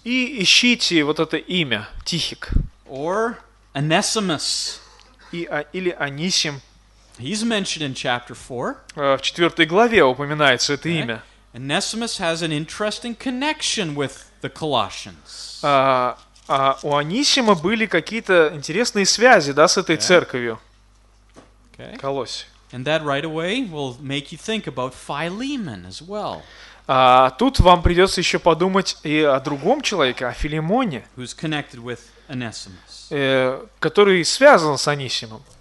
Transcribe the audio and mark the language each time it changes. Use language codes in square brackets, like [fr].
[ru] И ищите вот это имя, Тихик. [en] Or Onesimus. [ru] Или Онисим. [en] He's mentioned in chapter 4. [ru] В 4 главе упоминается это имя. [en] Onesimus has an interesting connection with the Colossians. [ru] У Онисима были какие-то интересные связи, да, с этой церковью. [en] Okay. [ru] Колоссия. [en] And that right away will make you think about Philemon as well. [ru] Тут вам придется еще подумать и о другом человеке, о Филимоне. [en] Who's connected with Onesimus. [ru] Который связан с Онисимом.